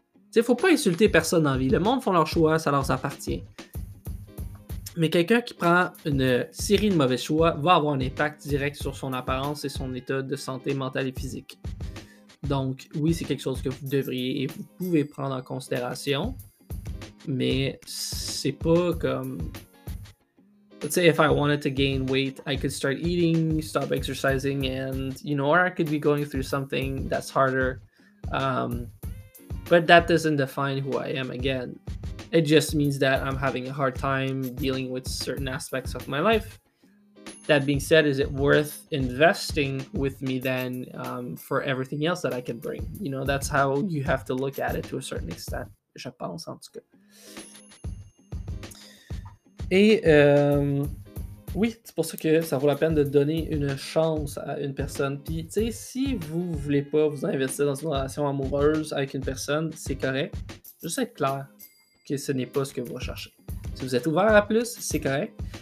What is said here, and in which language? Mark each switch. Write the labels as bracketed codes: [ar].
[fr] T'sais, faut pas insulter personne en vie. Le monde font leur choix, ça leur appartient. Mais quelqu'un qui prend une série de mauvais choix va avoir un impact direct sur son apparence et son état de santé mentale et physique. Donc, oui, c'est quelque chose que vous devriez et vous pouvez prendre en considération. Mais c'est pas comme... [en] Let's say if I wanted to gain weight, I could start eating, stop exercising, and, you know, or I could be going through something that's harder. But that doesn't define who I am again. It just means that I'm having a hard time dealing with certain aspects of my life. That being said, is it worth investing with me then for everything else that I can bring? You know, that's how you have to look at it to a certain extent. [fr] Je pense, en tout cas. Et oui, c'est pour ça que ça vaut la peine de donner une chance à une personne. Puis, tu sais, si vous voulez pas vous investir dans une relation amoureuse avec une personne, c'est correct. Juste être clair que ce n'est pas ce que vous recherchez. Si vous êtes ouvert à plus, c'est correct.